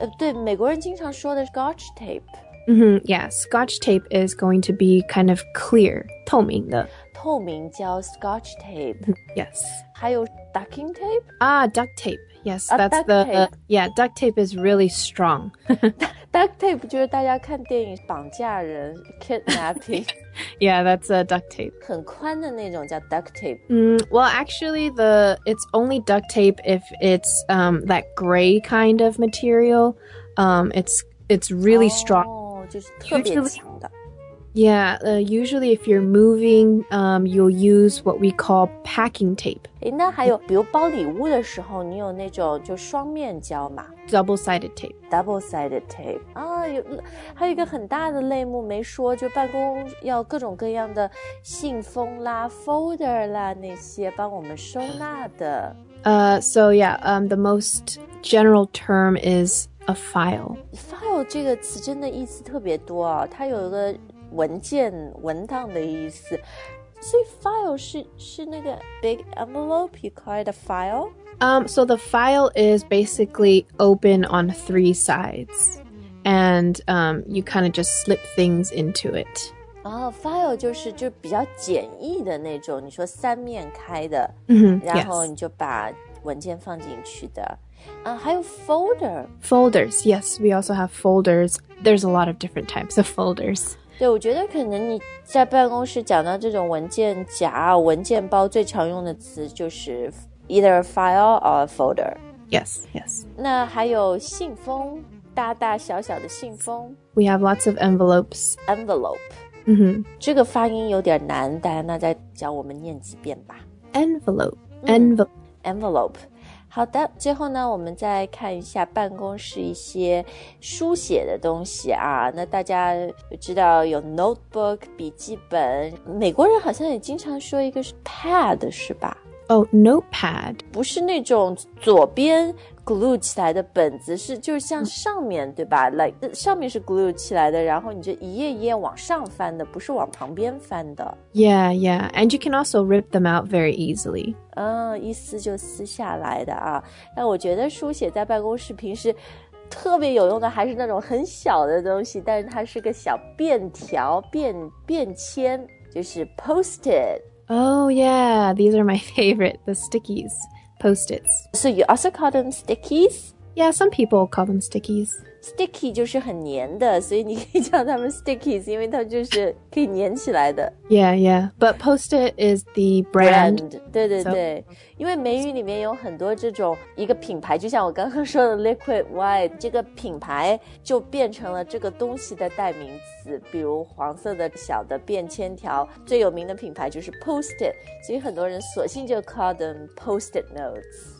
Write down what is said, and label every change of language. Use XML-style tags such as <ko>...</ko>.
<zh>对，美国人经常说的 scotch tape. Mm-hmm.</zh> <en>Yeah, scotch tape is going to be kind of clear,</en> <zh>透明的。透明叫 scotch tape.</zh> <en>Yes.</en> <zh>还有 ducking tape?</zh> <en>Duct tape. Yes, that's the, duct tape is really strong.</en> <zh>Duct tape 就是大家看电影绑架人 kidnapping.</zh> <en>Yeah, that's a duct tape.</en> <zh>很宽的那种叫 duct tape.</zh> <en>Well, actually, it's only duct tape if it's that gray kind of material. It's really strong.</en> <zh>就是特别强的。</zh> <en>Yeah, usually if you're moving, you'll use what we call packing tape.</en> <zh>那还有比如包礼物的时候你有那种就双面胶吗？</zh> <en>Double-sided tape. Double-sided tape.</en> <zh>还有一个很大的类目没说，就办公要各种各样的信封啦 folder 啦那些帮我们收纳的。</zh> <en>The most general term is a file.</en> <zh>File 这个词真的意思特别多哦，它有一个文件文档的意思，所以 file 是那个</zh> <en>big envelope, you call it a file? So the file is basically open on three sides, and you kind of just slip things into it.</en> <zh>File 就比较简易的那种，你说三面开的，然后你就把文件放进去的。还有 folder.</zh> <en>Folders, yes, we also have folders. There's a lot of different types of folders.</en> <zh>对，我觉得可能你在办公室讲到这种文件夹、文件包，最常用的词就是</zh> <en>either a file or a folder. Yes, yes.</en> <zh>那还有信封，大大小小的信封。</zh> <en>We have lots of envelopes. Envelope. Mm-hmm.</en> <zh>这个发音有点难，大家那再教我们念几遍吧。</zh> <en>Envelope. Envelope. Envelope.</en> <zh>好的，最后呢，我们再看一下办公室一些书写的东西啊。那大家知道有 notebook, 笔记本，美国人好像也经常说一个是 pad, 是吧？</zh> <en>notepad.</en> <zh>不是那种左边 glue 起来的本子，是就是像上面，对吧？ Like, 上面是 glue 起来的，然后你就一页一页往上翻的，不是往旁边翻的。</zh> <en>Yeah, yeah. And you can also rip them out very easily.</en> <zh>一撕就撕下来的啊。但我觉得书写在办公室平时特别有用的还是那种很小的东西，但是它是个小便条，便签，就是 post-it.</zh> <en>Oh, yeah, these are my favorite, the stickies, post-its. So you also call them stickies? Yeah, some people call them stickies.</en> <zh>Sticky 就是很黏的，所以你可以叫它们 stickies, 因为它就是可以黏起来的。</zh> <en>Yeah, yeah, but post-it is the brand.</en> <zh>对对对，因为美语里面有很多这种一个品牌，就像我刚刚说的 liquid white, 这个品牌就变成了这个东西的代名词。比如黄色的小的便签条，最有名的品牌就是 Post-it, 所以很多人索性就</zh> <en>call them Post-it notes.</en>